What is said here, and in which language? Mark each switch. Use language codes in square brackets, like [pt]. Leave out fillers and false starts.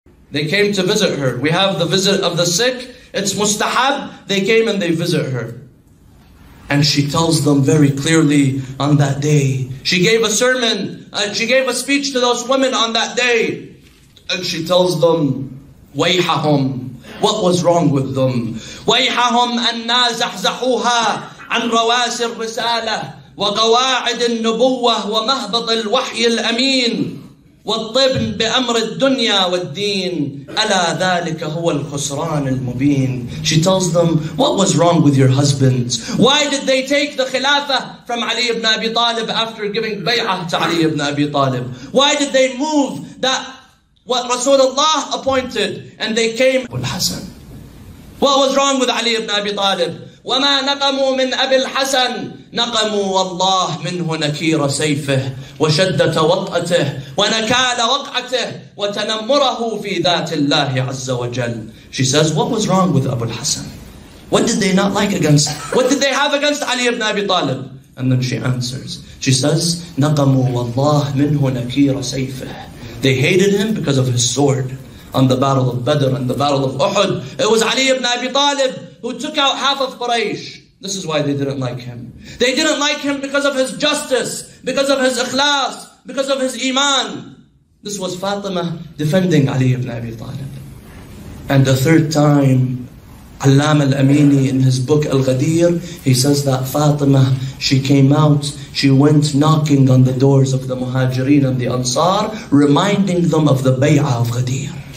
[en] They came to visit her. We have the visit of the sick. It's mustahab. They came and they visit her. And she tells them very clearly on that day. She gave a sermon. She gave a speech to those women on that day. And she tells them, وَيْحَهُمْ, what was wrong with them? [ar] وَيْحَهُمْ أَنَّا زَحْزَحُوهَا عَنْ رَوَاسِ الرِّسَالَةِ وَقَوَاعِدِ النُّبُوَّةِ وَمَهْبَطِ الْوَحْيِ الْأَمِينِ والطبن بأمر الدنيا والدين ألا ذلك هو الخسران المبين. [en] She tells them, what was wrong with your husbands? Why did they take the khilafah from Ali ibn Abi Talib after giving bay'ah to Ali ibn Abi Talib? Why did they move that what Rasulullah appointed and they came Abu al-Hasan? What was wrong with Ali ibn Abi Talib? [ar] وما نقموا من أبي الحسن نقموا والله منه نكير سيفه وشدة وطأته ونكال وقعته وتنمره في ذات الله عز وجل. [en] She says, what was wrong with Abu al-Hasan? What did they not like against? What did they have against Ali ibn Abi Talib? And then she answers. She says, [ar] نقموا والله منه نكير سيفه. [en] They hated him because of his sword on the battle of Badr and the battle of Uhud. It was Ali ibn Abi Talib who took out half of Quraysh. This is why they didn't like him. They didn't like him because of his justice, because of his ikhlas, because of his iman. This was Fatima defending Ali ibn Abi Talib. And the third time, Allama al-Amini in his book Al-Ghadir, he says that Fatima, she came out, she went knocking on the doors of the Muhajireen and the Ansar, reminding them of the Bay'ah of Ghadir.